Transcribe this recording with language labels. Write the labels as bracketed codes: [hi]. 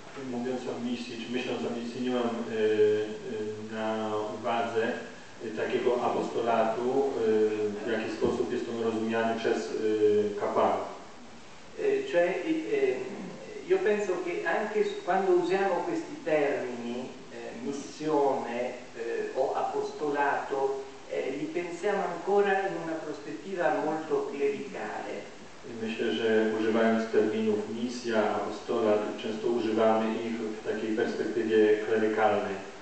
[pl] Mówiąc o misji, czy myśląc o misji, nie mam na uwadze takiego apostolatu, w jaki sposób jest on rozumiany przez kapłanów. [it] Cioè, io penso che anche quando usiamo questi termini, missione o apostolato, li pensiamo ancora in una prospettiva molto clericale. [pl] Myślę, że używając terminów misja, apostolat, często używamy ich w takiej perspektywie klerykalnej.